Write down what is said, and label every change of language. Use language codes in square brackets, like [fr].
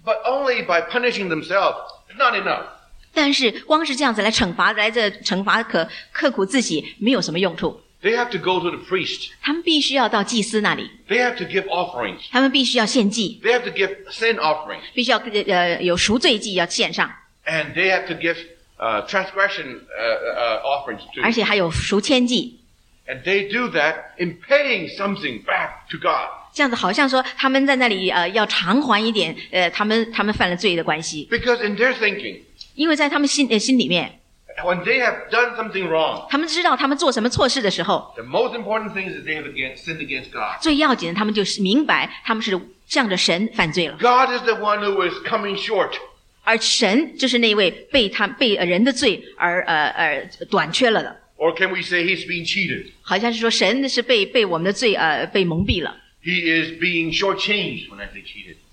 [en] But only by punishing themselves is not enough. [zh] 但是光是这样子来惩罚，来这惩罚可刻苦自己没有什么用处。 [en] They have to go to the priest. [zh] 他们必须要到祭司那里。 [en] They have to give offerings. [zh] 他们必须要献祭。 [en] They have to give sin offerings. [zh] 必须要有赎罪祭要献上。 [en] And they have to give transgression offerings too. [zh] 而且还有赎愆祭。 [en] And they do that in paying something back to God. [zh] 这样子好像说他们在那里要偿还一点他们犯了罪的关系。 [en] Because in their thinking. [zh] 因为在他们 心里面 [en] When they have done something wrong, [zh] 他们知道他们做什么错事的时候 [en] the most important thing is that they have sinned against God. [zh] 最要紧的他们就是明白他们是向着神犯罪了 [en] God is the one who is coming short. [zh] 而神就是那位被人的罪而短缺了的 [en] Or can we say he's being cheated? [zh] 好像是说神是被我们的罪被蒙蔽了 [en] He is being short-changed when I say cheated.